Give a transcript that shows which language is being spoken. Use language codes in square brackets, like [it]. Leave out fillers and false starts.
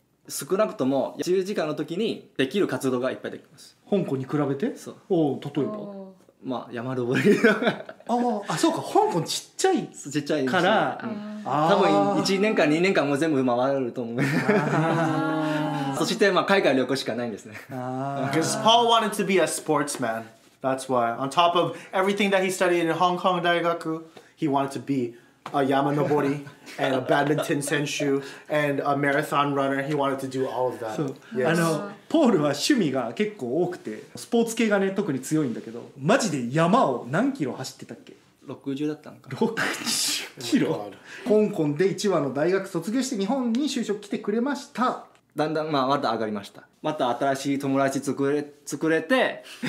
[ja] 少なくとも自由時間の時にできる活動がいっぱいできます、香港に比べて。そう、おお、例えばまあ山登りああそうか、香港ちっちゃい、ちっちゃいから、うん、多分1年間2年間も全部回ると思う。そしてまあ海外旅行しかないんですね。 [en] Because Paul wanted to be a sportsmanThat's why, on top of everything that he studied in Hong Kong 大学, he wanted to be a yamanobori and a badminton 選手 and a marathon runner. He wanted to do all of that. [ja] そう、yes. あのポールは趣味が結構多くて、スポーツ系がね特に強いんだけど、マジで山を何キロ走ってたっけ？ 60だったのか。 60キロ。香港で1話の大学卒業して日本に就職来てくれました。だんだん、まあ、また上がりました。また新しい友達作れて。